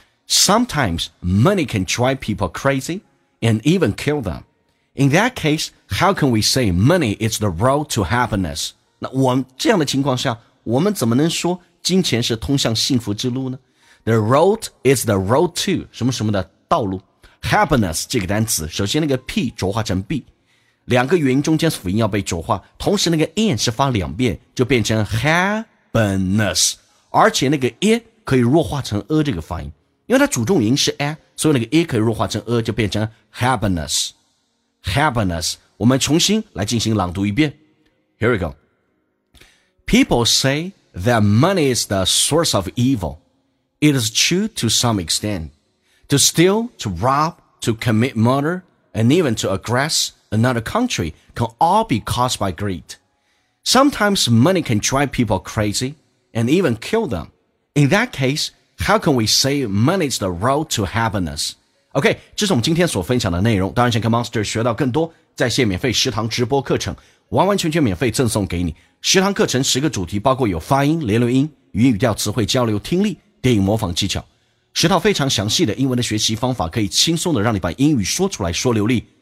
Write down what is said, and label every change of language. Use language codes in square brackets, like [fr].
[en] Sometimes money can drive people crazy and even kill them. In that case, how can we say money is the road to happiness? [zh] 那我们这样的情况下，我们怎么能说金钱是通向幸福之路呢？ [en] The road is the road to [zh] 什么什么的道路。Happiness 这个单词，首先那个 p 浊化成 b， 两个元音中间辅音要被浊化，同时那个 n 是发两遍，就变成 happiness， 而且那个 a 可以弱化成 a 这个发音，因为它主重音是 a， 所以那个 a 可以弱化成 a， 就变成 happiness， happiness。我们重新来进行朗读一遍。 [en] Here we go. People say that money is the source of evil. It is true to some extentTo steal, to rob, to commit murder, and even to aggress another country can all be caused by greed. Sometimes money can drive people crazy and even kill them. In that case, how can we say money is the road to happiness? [zh] OK， 这是我们今天所分享的内容，当然想跟 Monster 学到更多，在线免费食堂直播课程完完全全免费赠送给你。食堂课程10个主题，包括有发音、连轮音、语音语调、词汇交流、听力、电影模仿技巧，十套非常详细的英文的学习方法，可以轻松的让你把英语说出来说流利。